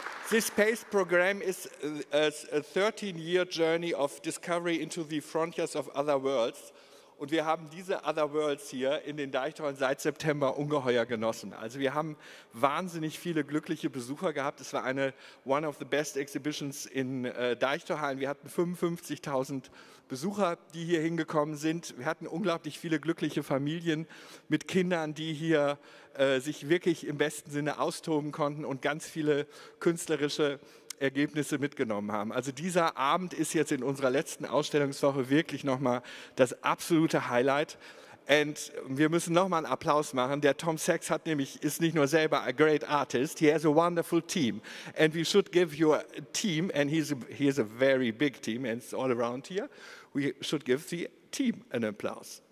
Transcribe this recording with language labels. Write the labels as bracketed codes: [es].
[en] This space program is a 13-year journey of discovery into the frontiers of other worlds. [de] Und wir haben diese Other Worlds hier in den Deichtorhallen seit September ungeheuer genossen. Also wir haben wahnsinnig viele glückliche Besucher gehabt. Es war eine [en] one of the best exhibitions in Deichtorhallen. [de] Wir hatten 55.000 Besucher, die hier hingekommen sind. Wir hatten unglaublich viele glückliche Familien mit Kindern, die hier sich wirklich im besten Sinne austoben konnten und ganz viele künstlerische Ergebnisse mitgenommen haben. Also dieser Abend ist jetzt in unserer letzten Ausstellungswoche wirklich nochmal das absolute Highlight. Und wir müssen nochmal einen Applaus machen. Der Tom Sachs hat nämlich, ist nicht nur selber [en] a great artist, he has a wonderful team. And we should give your team, and he is a very big team, and it's all around here, we should give the team an applause.